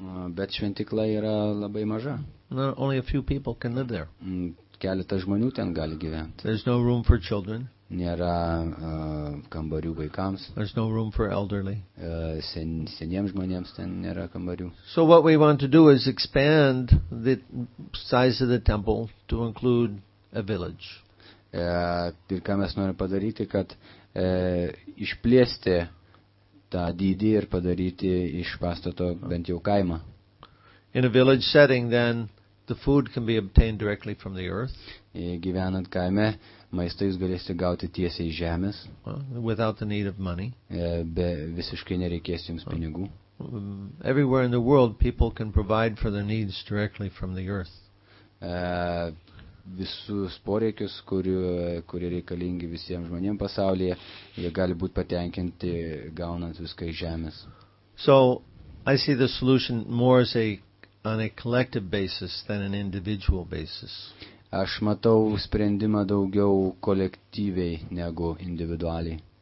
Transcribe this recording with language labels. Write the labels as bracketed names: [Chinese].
[Lithuanian] Bet šventykla yra labai maža. [English] No, only a few people can live there. [Lithuanian] Keletas žmonių ten gali gyventi. [English] There's no room for children. [Lithuanian] Nėra kambarių vaikams. [English] There's no room for elderly. [Lithuanian] Seniems žmonėms ten nėra kambarių. [English] So what we want to do is expand the size of the temple to include a village. [Lithuanian] Ir ką mes norime padaryti, kad išplėsti tą dydį ir padaryti iš pastato bent jau kaimą. [English] In a village setting, then the food can be obtained directly from the earth. [Lithuanian] Gyvenant kaime, maistą jūs galėsite gauti tiesiai iš žemės. [English] Without the need of money. [Lithuanian] Be visiškai nereikės jums pinigų. [English] Everywhere in the world, people can provide for their needs directly from the earth. [Lithuanian] Visus poreikius, kurie reikalingi visiems žmonėms pasaulyje, jie gali būti patenkinti, gaunant viską iš žemės. [English] So, I see the solution more as on a collective basis than an individual basis. [Lithuanian] Aš matau sprendimą daugiau kolektyviai negu individualiai.